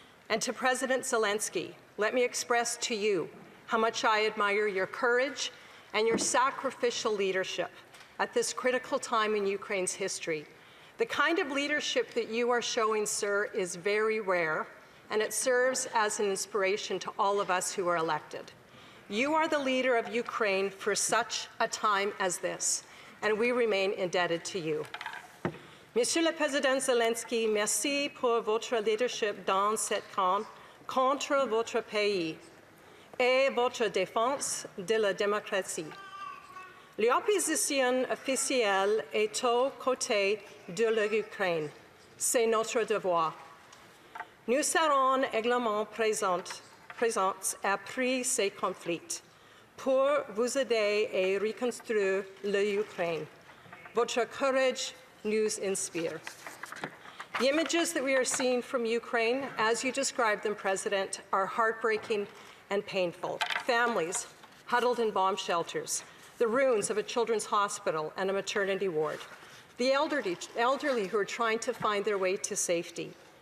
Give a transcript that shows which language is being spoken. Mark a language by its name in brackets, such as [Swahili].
[English] And to President Zelenskyy, let me express to you how much I admire your courage and your sacrificial leadership at this critical time in Ukraine's history. The kind of leadership that you are showing, sir, is very rare, and it serves as an inspiration to all of us who are elected. You are the leader of Ukraine for such a time as this, and we remain indebted to you. [French] Monsieur le Président Zelenskyy, merci pour votre leadership dans cette camp contre votre pays et votre défense de la démocratie. L'opposition officielle est aux côtés de l'Ukraine. C'est notre devoir. Nous serons également présents après ces conflits pour vous aider à reconstruire l'Ukraine. Votre courage nous inspire. [English] The images that we are seeing from Ukraine, as you described them, President, are heartbreaking and painful. Families huddled in bomb shelters, the ruins of a children's hospital and a maternity ward, the elderly who are trying to find their way to safety.